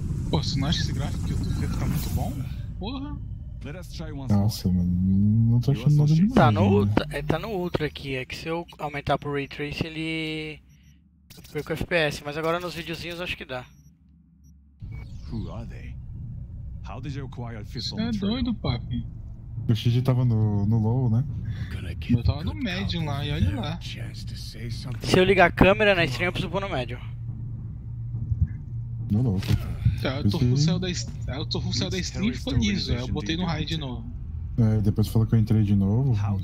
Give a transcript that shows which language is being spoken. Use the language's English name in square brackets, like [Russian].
[Portuguese] Pô, você não acha esse gráfico que o Twitter tá muito bom? Porra! Nossa, mano, não tô achando nada demais. Tá no, né? Tá no Ultra aqui, é que se eu aumentar pro Ray Trace ele... perco o FPS, mas agora nos videozinhos acho que dá. [English] Who are they? How did you acquire official material? [Portuguese] É doido, papi. O XG tava no low, né? Eu tava no médio lá, e olha lá. Se eu ligar a câmera na stream, eu preciso pôr no médio. No low, papi. Tá, o Tofu saiu da stream e ficou liso. Eu botei no raid de novo. É, depois você falou que eu entrei de novo.